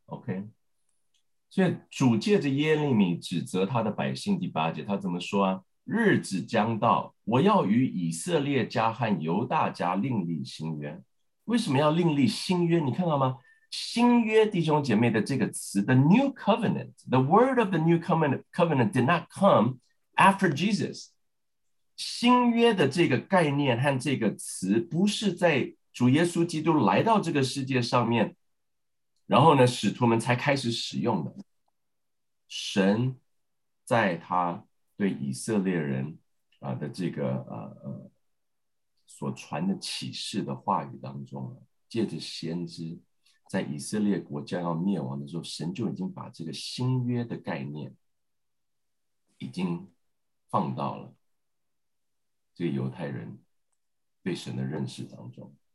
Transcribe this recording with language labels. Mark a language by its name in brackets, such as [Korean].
[Chinese] OK， 所以主借着耶利米指责他的百姓，第八节他怎么说啊？日子将到，我要与以色列家和犹大家另立新约。为什么要另立新约？你看到吗？新约弟兄姐妹的这个词 [English] The new covenant, The word of the new covenant did not come after Jesus. [Chinese] 新约的这个概念和这个词不是在主耶稣基督来到这个世界上面，然后呢，使徒们才开始使用的。神在他对以色列人的这个所传的启示的话语当中，借着先知，在以色列国家要灭亡的时候，神就已经把这个新约的概念已经放到了这个犹太人对神的认识当中。